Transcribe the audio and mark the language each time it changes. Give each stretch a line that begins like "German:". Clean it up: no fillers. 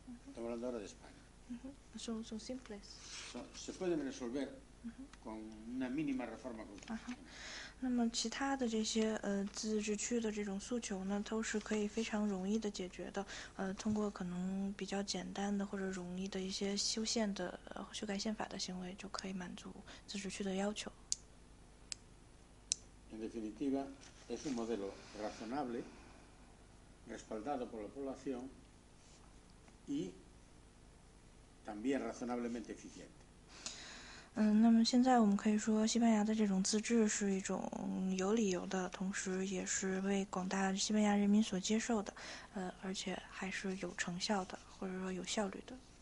Spanish: Estamos hablando ahora de España. Son simples. Se pueden resolver con una mínima reforma constitucional.
Chinese: 那么其他的这些自治区的这种诉求呢，都是可以非常容易的解决的，通过可能比较简单的或者容易的一些修改宪法的行为，就可以满足自治区的要求。
Spanish: En definitiva, es un modelo razonable, respaldado por la población y también razonablemente eficiente.
Chinese: 那么现在我们可以说西班牙的这种自治是一种有理由的，同时也是为广大西班牙人民所接受的，而且还是有成效的，或者说有效率的。